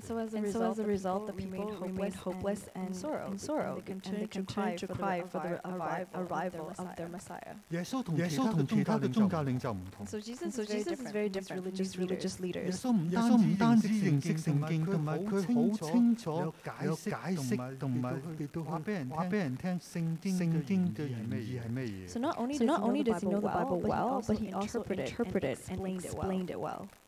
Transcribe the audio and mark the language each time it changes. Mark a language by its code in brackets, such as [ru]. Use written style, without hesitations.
[en] And so as a result, the people remained hopeless and sorrow, and they continued to cry for the arrival of their Messiah. [yue] 耶穌同其他宗教領袖不同。 [en] So Jesus is very different from these religious leaders. [yue] 耶穌不單止認識聖經，同埋佢好清楚有解釋。話俾人聽，聖經嘅原意係咩嘢？ [en] So not only does he know the Bible well, but he also interpreted it and explained it well.